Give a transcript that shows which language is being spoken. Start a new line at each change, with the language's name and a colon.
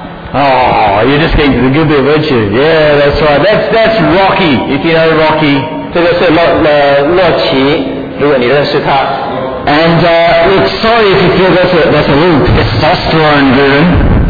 English: Oh, you're just getting to the good bit, aren't you? Yeah, that's right, that's Rocky, if you know Rocky
Chinese: 这个是洛奇，如果你认识他。
English: And look, sorry if you feel that's a little testosterone driven.